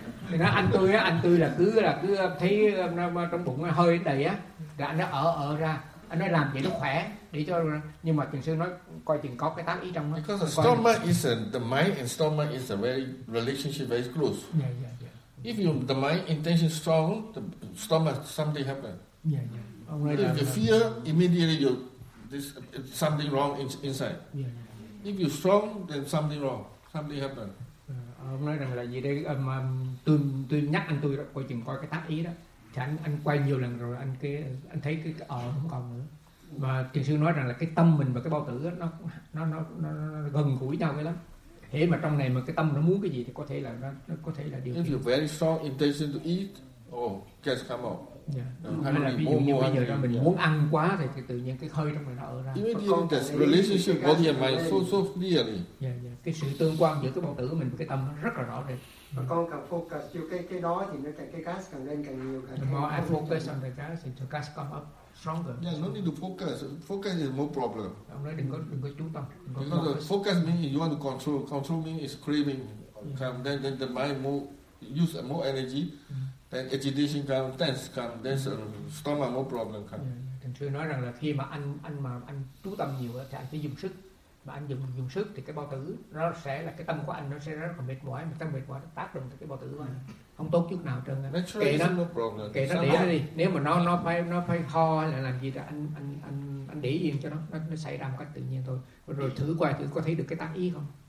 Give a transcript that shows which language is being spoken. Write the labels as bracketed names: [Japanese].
[Vietnamese] Thì nó anh tôi là cứ thấy trong bụng hơi đầy á, là anh nó ở ra, anh nói làm vậy nó khỏe để cho, nhưng mà thiền sư nói coi chừng có cái tác ý trong đó. [English] Because the stomach is the mind and stomach is a very relationship very close. Yeah, yeah, yeah. If you the mind intention strong, the stomach something happen. Yeah, yeah. If you fear, immediately you this something wrong inside. Yeah, yeah, yeah. If you strong, then something wrong, something happen. [Vietnamese] Ông nói rằng là gì đây? Tôi nhắc anh tôi coi chừng coi cái tác ý đó. Thì anh quay nhiều lần rồi anh thấy cái không còn nữa. Và thiền sư nói rằng là cái tâm mình và cái bao tử đó, nó gần gũi nhau cái lắm. Thế mà trong này mà cái tâm nó muốn cái gì thì có thể là nó có thể là điều. [English] If you very strong intention to eat, gas come out. Yeah. [Vietnamese] Hay là ví dụ như bây giờ mình muốn ăn quá thì tự nhiên cái hơi trong mình nó ở ra. [English] Con relationship body and mind so clearly. Yeah, yeah. [Vietnamese] Cái sự tương quan giữa cái bao tử của mình với cái tâm rất là rõ rồi. Mà con càng focus vô cái đó thì nó càng cái gas càng lên càng nhiều càng. [English] More I focus on the gas, the gas come up stronger. Yeah, no need to focus. Focus is more problem. [Vietnamese] Ông nói đừng có chú tâm. [English] Focus means you want to control. Control means is craving. Yeah. Then the mind use more energy. then agitation come, tense come, then stomach more problem come. [Vietnamese] Thầy sư nói rằng là khi mà anh mà anh chú tâm nhiều thì anh phải dùng sức, mà anh dùng sức thì cái bao tử nó sẽ là cái tâm của anh nó sẽ rất là mệt mỏi, mà tâm mệt mỏi nó tác động tới cái bao tử của anh không tốt chút nào trơn. Kệ nó để đi, nếu mà nó phải ho là làm gì thì anh để yên cho nó xảy ra một cách tự nhiên thôi, rồi thử qua thử có thấy được cái tác ý không.